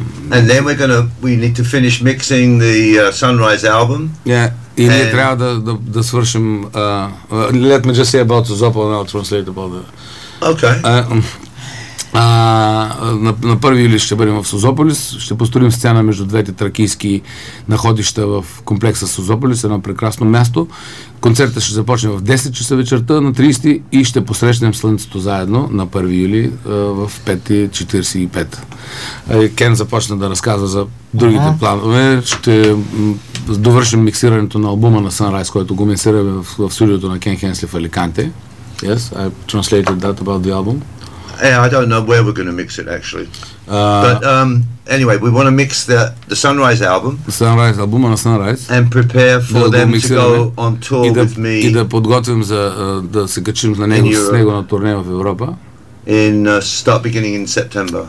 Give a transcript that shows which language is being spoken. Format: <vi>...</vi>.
<en>And then we need to finish mixing the Sunrise album. Yeah,</en> <bg>и ние трябва да свършим</bg> <en>let me just say about Созопол and I'll translate about the... Okay.</en> <bg>На 1 юли ще бъдем в Созополис, ще построим сцена между двете тракийски находища в комплекса Созополис, едно прекрасно място. Концертът ще започне в 10 часа вечерта на 30 и ще посрещнем слънцето заедно на 1 юли в 5.45. Кен започна да разказва за другите планове. Ще довършим миксирането на албума на Sunrise, който го миксираме в студиото на Кен Хенсли в Аликанте.</bg> <en>Yes, I translated that about the album. Yeah, I don't know where we're going to mix it actually. But anyway, we want to mix the Sunrise album.</en> <bg>Sunrise album на Sunrise.</bg> <en>And prepare for them to go on tour with me.</en> <bg>И да подготвим за да се качим на него с него на турне в Европа.</bg> <en>In start beginning in September.</en>